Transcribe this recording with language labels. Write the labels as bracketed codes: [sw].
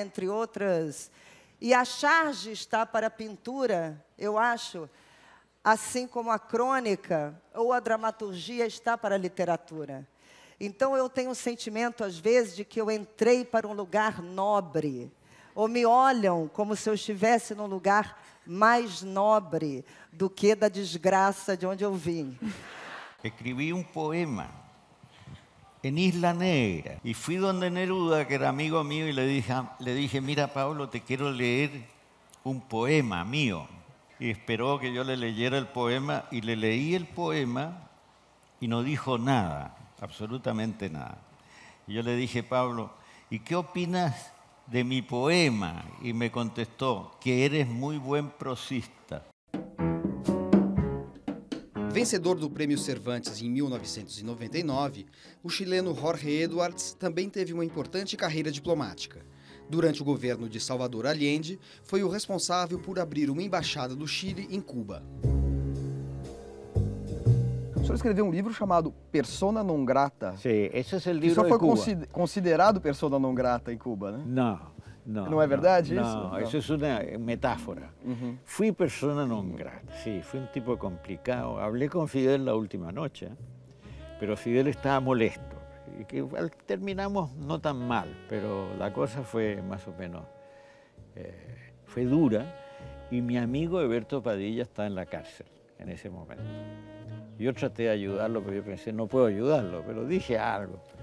[pt] Entre outras. E a charge está para a pintura, eu acho, assim como a crônica ou a dramaturgia está para a literatura. Então, eu tenho um sentimento, às vezes, de que eu entrei para um lugar nobre. Ou me olham como se eu estivesse num lugar mais nobre do que da desgraça de onde eu vim. [es] Escribí un poema en Isla Negra y fui donde Neruda, que era amigo mío, y le dije, mira, Pablo, te quiero leer un poema mío. Y esperó que yo le leyera el poema y le leí el poema y no dijo nada, absolutamente nada. Y yo le dije, Pablo, ¿y qué opinas de mi poema? Y me contestó, que eres muy buen prosista. [pt] Vencedor do Prêmio Cervantes em 1999, o chileno Jorge Edwards também teve uma importante carreira diplomática. Durante o governo de Salvador Allende, foi o responsável por abrir uma embaixada do Chile em Cuba. O senhor escreveu um livro chamado Persona Non Grata. Sim, esse é o livro de Cuba. O senhor foi considerado persona non grata em Cuba, né? Não. Não é verdade não, isso? Não, isso é uma metáfora. Fui persona non grata, sim, fui um tipo complicado. Hablei com Fidel na última noite, mas Fidel estava molesto. [es] Y que igual terminamos no tan mal, pero la cosa fue más o menos, fue dura. Y mi amigo Heberto Padilla está en la cárcel en ese momento. Yo traté de ayudarlo, pero yo pensé, no puedo ayudarlo, pero dije algo.